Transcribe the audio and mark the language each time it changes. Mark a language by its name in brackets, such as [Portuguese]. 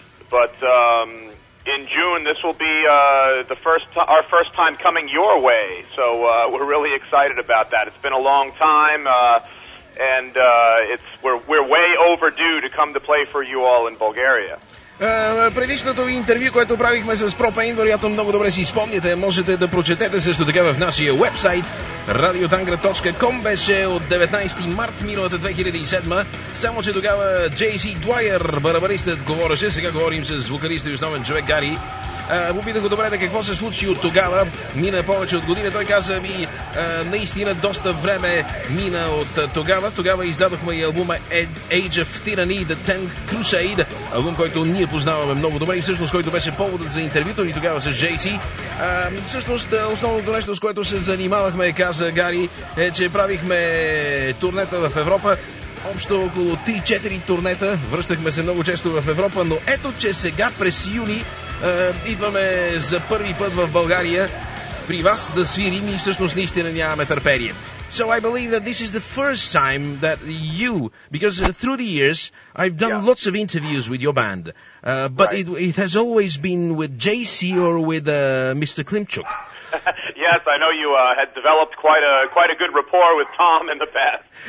[English] But in June, this will be our first time coming your way. So we're really excited about that. It's been a long time. And we're way overdue to come to play for you all in Bulgaria. [Bulgarian] Предишното ви интервю, което правихме с Propane, вероятно много добре си спомняте. Можете да прочетете също така в нашия уебсайт radiotangra.com. Беше от 19 март миналата 2007. Само че тогава J.C. Dwyer, барабаристът, говореше. Сега говорим с вокалиста и основен човек Гари. Попитах го добре да какво се случи от тогава. Мина повече от година. Той каза ми, наистина доста време мина от тогава. Тогава издадохме и албума Age of Tyranny, The Tenth Crusade. Албум, който ние познаваме много добре и всъщност който беше поводът за интервюто ни тогава с JC. Всъщност основното нещо, с което се занимавахме, каза Гари, е, че правихме турнета в Европа. Общо около 3-4 турнета. Връщахме се много често в Европа, но ето, че сега през юни идваме за първи път в България при вас да свирим и всъщност наистина нямаме търпение. [English] So I believe that this is the first time that you, because through the years, I've done lots of interviews with your band, but it has always been with JC or with Mr. Klimchuk. Yes, I know you had developed quite a good rapport with Tom in the past.